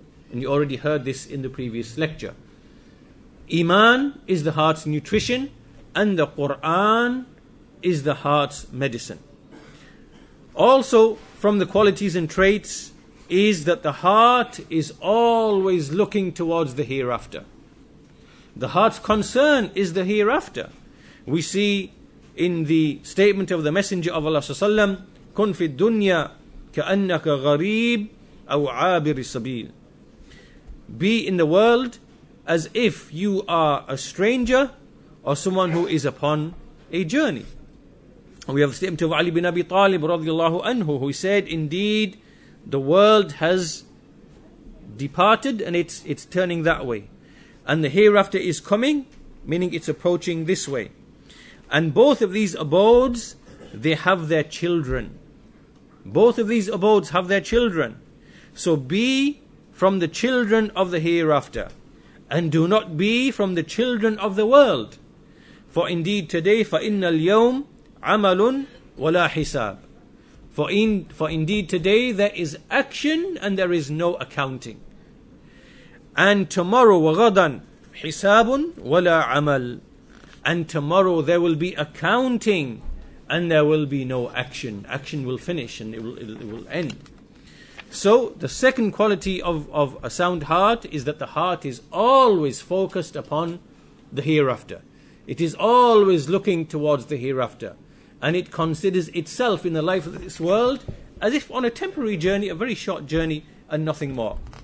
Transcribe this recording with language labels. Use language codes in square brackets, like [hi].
[en] And you already heard this in the previous lecture. Iman is the heart's nutrition, and the Quran is the heart's medicine. Also, from the qualities and traits, is that the heart is always looking towards the hereafter. The heart's concern is the hereafter. We see in the statement of the Messenger of Allah صلى الله عليه وسلم, [ar] كن في الدنيا كأنك غريب أو عابر السبيل. [en] Be in the world as if you are a stranger or someone who is upon a journey. We have the statement of Ali bin Abi Talib radiallahu anhu, who said, indeed, the world has departed and it's turning that way. And the hereafter is coming, meaning it's approaching this way. And both of these abodes, they have their children. Both of these abodes have their children. So be from the children of the hereafter, and do not be from the children of the world. For indeed today, [ar] فَإِنَّ الْيَوْمِ عَمَلٌ وَلَا حِسَابٌ. [en] For indeed today there is action and there is no accounting. And tomorrow, [ar] وَغَدًا حِسَابٌ وَلَا عَمَلٌ. [en] And tomorrow there will be accounting and there will be no action. Action will finish and it will end. So the second quality of a sound heart is that the heart is always focused upon the hereafter. It is always looking towards the hereafter. And it considers itself in the life of this world as if on a temporary journey, a very short journey, and nothing more.